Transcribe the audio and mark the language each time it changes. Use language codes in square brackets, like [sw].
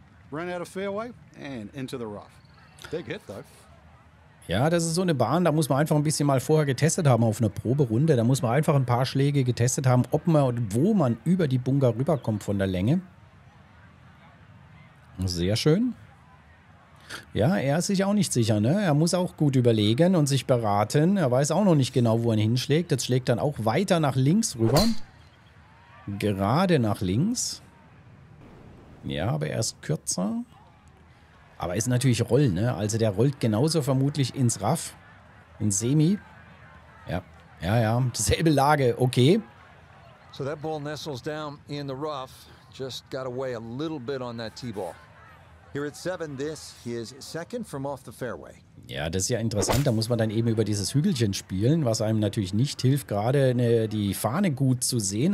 [en] Ran out of fairway and into the rough. Big hit, though. [de] Ja, das ist so eine Bahn, da muss man einfach ein bisschen mal vorher getestet haben auf einer Proberunde. Da muss man einfach ein paar Schläge getestet haben, ob man und wo man über die Bunker rüberkommt von der Länge. Sehr schön. Ja, er ist sich auch nicht sicher, ne? Er muss auch gut überlegen und sich beraten. Er weiß auch noch nicht genau, wo er hinschlägt. Jetzt schlägt dann auch weiter nach links rüber. Gerade nach links. Ja, aber er ist kürzer. Aber ist natürlich Roll, ne? Also der rollt genauso vermutlich ins Raff, ins Semi. Ja, ja, ja, dieselbe Lage, okay. [en] So that ball nestles down in the rough. Just got away a little bit on that tee ball. Here at 7, this is second from off the fairway. [de] Ja, das ist ja interessant. Da muss man dann eben über dieses Hügelchen spielen, was einem natürlich nicht hilft, gerade die Fahne gut zu sehen.